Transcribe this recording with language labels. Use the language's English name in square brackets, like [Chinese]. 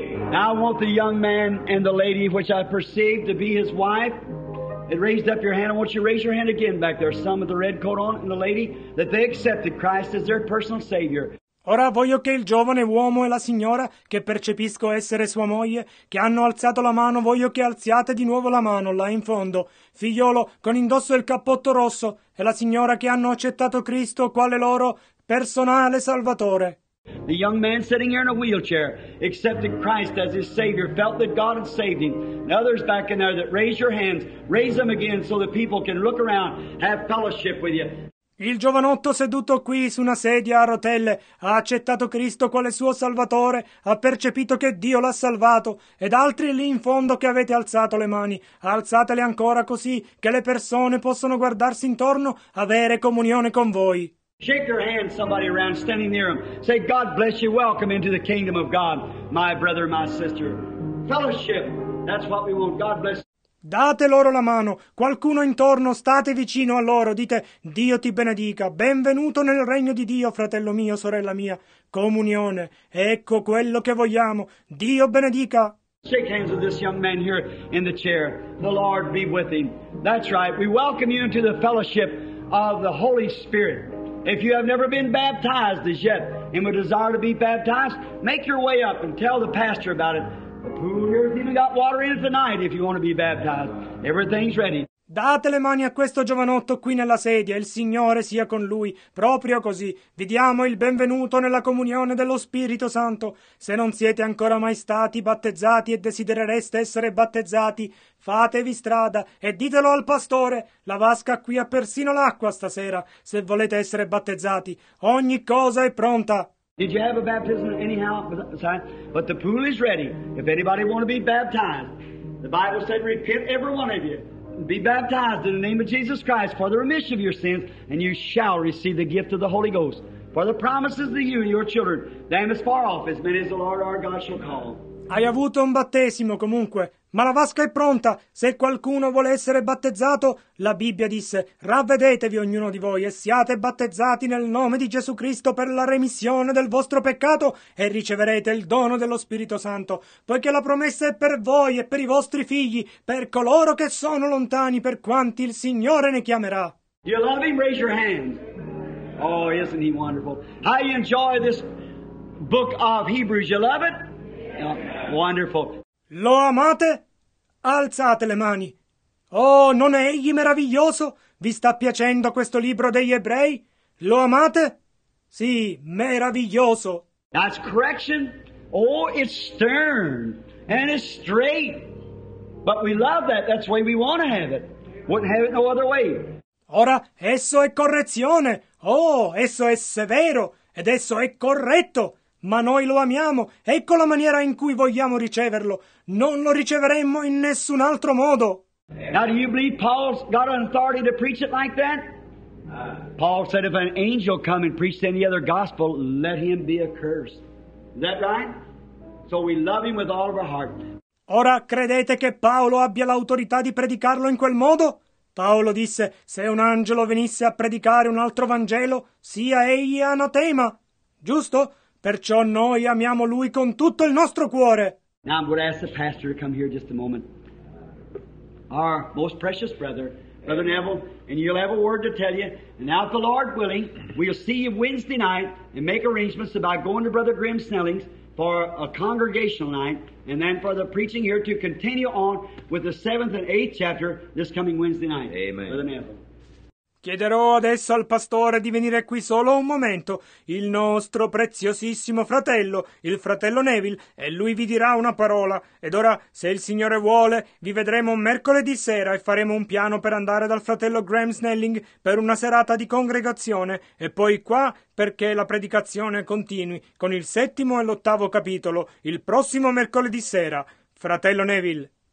[English] Now I want the young man and the lady, which I perceive to be his wife, that raised up your hand. I want you to raise your hand again back there, some with the red coat on, and the lady, that they accepted Christ as their personal Savior. [Italian] Ora voglio che il giovane uomo e la signora, che percepisco essere sua moglie, che hanno alzato la mano, voglio che alziate di nuovo la mano, là in fondo, figliolo, con indosso il cappotto rosso, e la signora che hanno accettato Cristo quale loro personale salvatore. [English] The young man sitting here in a wheelchair accepted Christ as his Savior, felt that God had saved him. And others back in there that raise your hands, raise them again so that people can look around, have fellowship with you. [Italian] Il giovanotto seduto qui su una sedia a rotelle ha accettato Cristo quale suo salvatore, ha percepito che Dio l'ha salvato, ed altri lì in fondo che avete alzato le mani, alzatele ancora così che le persone possono guardarsi intorno, avere comunione con voi. [English] Shake your hand, somebody around, standing near him. Say, God bless you, welcome into the kingdom of God, my brother, my sister. Fellowship, that's what we want, God bless you. [Italian] Date loro la mano, qualcuno intorno, state vicino a loro, dite, Dio ti benedica, benvenuto nel regno di Dio, fratello mio, sorella mia. Comunione, ecco quello che vogliamo, Dio benedica. [English] Shake hands with this young man here in the chair, the Lord be with him. That's right, we welcome you into the fellowship of the Holy Spirit. If you have never been baptized as yet and would desire to be baptized, make your way up and tell the pastor about it. The pool here has even got water in it tonight if you want to be baptized. Everything's ready. [Italian] Date le mani a questo giovanotto qui nella sedia, il Signore sia con lui, proprio così. Vi diamo il benvenuto nella comunione dello Spirito Santo. Se non siete ancora mai stati battezzati e desiderereste essere battezzati, fatevi strada e ditelo al pastore. La vasca qui ha persino l'acqua stasera, se volete essere battezzati. Ogni cosa è pronta. [English] Did you have a baptism anyhow? But the pool is ready. If anybody want to be baptized, the Bible said repent every one of you. Be baptized in the name of Jesus Christ for the remission of your sins, and you shall receive the gift of the Holy Ghost. For the promises to you and your children, them as far off as many as the Lord our God shall call. [Italian] Hai avuto un battesimo comunque, ma la vasca è pronta. Se qualcuno vuole essere battezzato, la Bibbia disse, ravvedetevi ognuno di voi e siate battezzati nel nome di Gesù Cristo per la remissione del vostro peccato e riceverete il dono dello Spirito Santo, poiché la promessa è per voi e per i vostri figli, per coloro che sono lontani, per quanti il Signore ne chiamerà. [English] You love him? Raise your hand. Oh, isn't he wonderful? How you enjoy this book of Hebrews? You love it? Wonderful. [Italian] Lo amate? Alzate le mani. Oh, non è egli meraviglioso? Vi sta piacendo questo libro degli ebrei? Lo amate? Sì, meraviglioso. [English] That's correction. Oh, it's stern and it's straight. But we love that. That's the way we want to have it. Wouldn't have it no other way. [Italian] Ora, esso è correzione. Oh, esso è severo ed esso è corretto. Ma noi lo amiamo, ecco la maniera in cui vogliamo riceverlo. Non lo riceveremmo in nessun altro modo. [English] Now do you believe Paul's got an authority to preach it like that? Paul said if an angel come and preached any other gospel, let him be accursed. Is that right? So we love him with all of our heart. [Italian] Ora credete che Paolo abbia l'autorità di predicarlo in quel modo? Paolo disse, se un angelo venisse a predicare un altro Vangelo, sia egli anatema. Giusto? Perciò noi amiamo Lui con tutto il nostro cuore. [English] Now I'm going to ask the pastor to come here just a moment. Our most precious brother, Brother Neville, and you'll have a word to tell you. And now, if the Lord willing, we'll see you Wednesday night and make arrangements about going to Brother Graham Snelling's for a congregational night and then for the preaching here to continue on with the 7th and 8th chapter this coming Wednesday night. Amen. Brother Neville. [Italian] Chiederò adesso al pastore di venire qui solo un momento. Il nostro preziosissimo fratello, il fratello Neville, e lui vi dirà una parola. Ed ora, se il Signore vuole, vi vedremo mercoledì sera e faremo un piano per andare dal fratello Graham Snelling per una serata di congregazione e poi qua perché la predicazione continui con il 7° e l'8° capitolo il prossimo mercoledì sera. Fratello Neville.